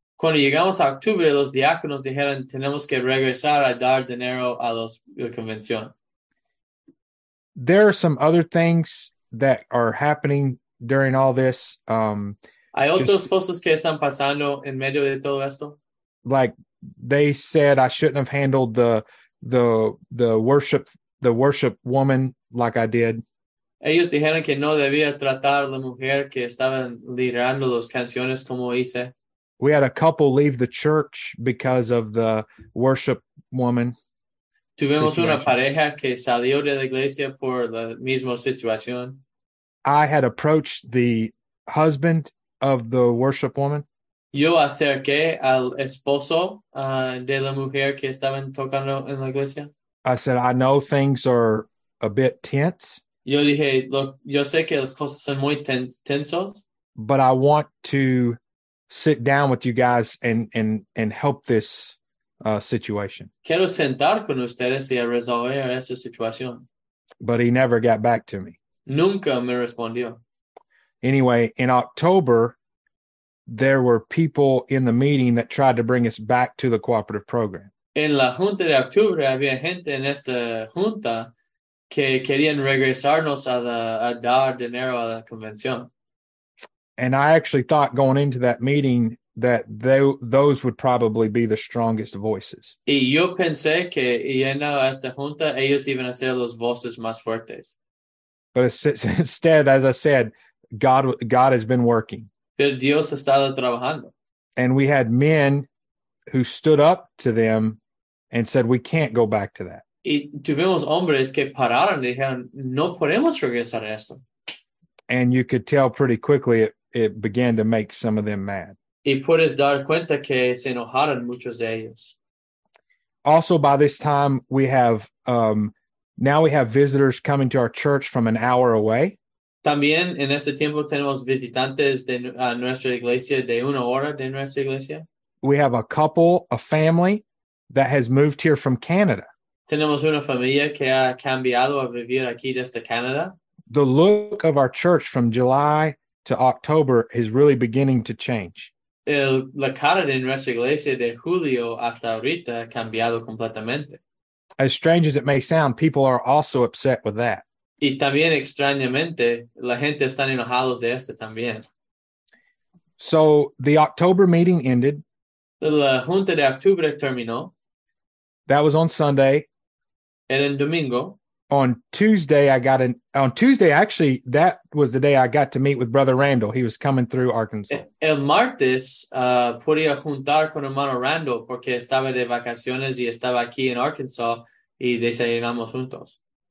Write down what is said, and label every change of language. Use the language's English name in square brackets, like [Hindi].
[Spanish] Cuando llegamos a octubre, los diáconos dijeron, tenemos que regresar a dar dinero a la convención. [English] There are some other things that are happening during all this. [Spanish] Hay otras cosas que están pasando en medio de todo esto. [English] Like they said, I shouldn't have handled the worship woman like I did. [Spanish] Ellos dijeron que no debía tratar a la mujer que estaban liderando las canciones como hice. [English] We had a couple leave the church because of the worship woman. [Spanish] Tuvimos situation. Una pareja que salió de la iglesia por la misma situación. [English] I had approached the husband of the worship woman. [Spanish] Yo acerqué al esposo de la mujer que estaban tocando en la iglesia. [English] I said, I know things are a bit tense. [Spanish] Yo dije, look, yo sé que las cosas son muy tensos. [English] But I want to sit down with you guys and help this situation. [Spanish] Quiero sentar con ustedes y a resolver esa situación. [English] But he never got back to me. [Spanish] Nunca me respondió. [English] Anyway, in October, there were people in the meeting that tried to bring us back to the cooperative program. [Spanish] En la junta de octubre había gente en esta junta que querían regresarnos a dar dinero a la convención. [English] And I actually thought going into that meeting that those would probably be the strongest voices. [Spanish] Y yo pensé que yendo a esta junta ellos iban a ser los voces más fuertes. [English] But instead, as I said, God has been working. [Spanish] Pero Dios ha estado trabajando. [English] And we had men who stood up to them and said, we can't go back to that. [Spanish] Y tuvimos hombres que pararon y dijeron, no podemos regresar a esto. [English] And you could tell pretty quickly it began to make some of them mad. [Spanish] Y puedes dar cuenta que se enojaron muchos de ellos. [English] Also, by this time, we have now we have visitors coming to our church from an hour away. [Spanish] También en ese tiempo tenemos visitantes de nuestra iglesia de una hora de nuestra iglesia. [English] We have a couple, a family that has moved here from Canada. [Spanish] Tenemos una familia que ha cambiado a vivir aquí desde Canadá. [English] The look of our church from July to October is really beginning to change. [Spanish] La cara de nuestra iglesia de julio hasta ahorita ha cambiado completamente. [English] As strange as it may sound, people are also upset with that. [Spanish] Y también extrañamente, la gente está enojada de esto también. [English] So the October meeting ended. [Spanish] La junta de octubre terminó. [English] That was on Sunday. [Spanish] Era en domingo. [English] On Tuesday, actually, that was the day I got to meet with Brother Randall. He was coming through Arkansas. [Spanish] El martes, podía juntar con hermano Randall porque estaba de vacaciones y estaba aquí en Arkansas y desayunamos juntos.